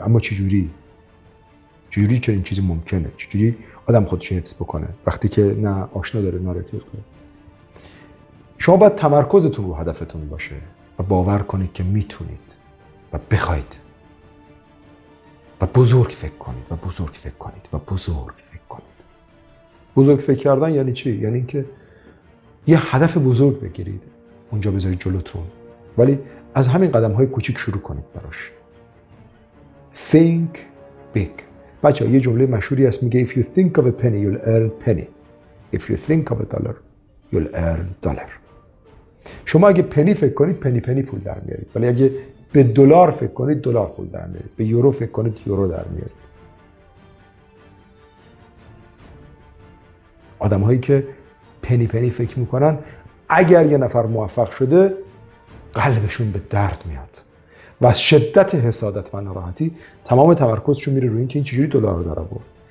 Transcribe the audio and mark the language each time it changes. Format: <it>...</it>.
<fa>اما چجوری چنین چیزی ممکنه؟ چجوری آدم خودش حفظ بکنه وقتی که نه آشنا داره نه رفیق داره؟ شما باید تمرکزتون رو هدفتون باشه و باور کنید که میتونید و بخواید و بزرگ فکر کنید و بزرگ فکر کنید و بزرگ فکر کنید. بزرگ فکر کردن یعنی چی؟ یعنی اینکه یه هدف بزرگ بگیرید، اونجا بذارید جلوتون، ولی از همین قدم‌های کوچیک شروع کنید براش.</fa> <en>Think big.</en> <fa>بچه ها یه جمله مشهوری هست میگه</fa> <en>If you think of a penny, you'll earn penny. If you think of a dollar, you'll earn dollar.</en> <fa>شما اگه پنی فکر کنید، پنی پنی پول در میارید. ولی اگه به دلار فکر کنید، دلار پول در میارید. به یورو فکر کنید، یورو در میارید. آدم هایی که پنی پنی فکر میکنن، اگر یه نفر موفق شده قلبشون به درد میاد و از شدت حسادت و ناراحتی تمام تمرکزشون میره روی اینکه این چجوری دلار رو داره برد.</fa>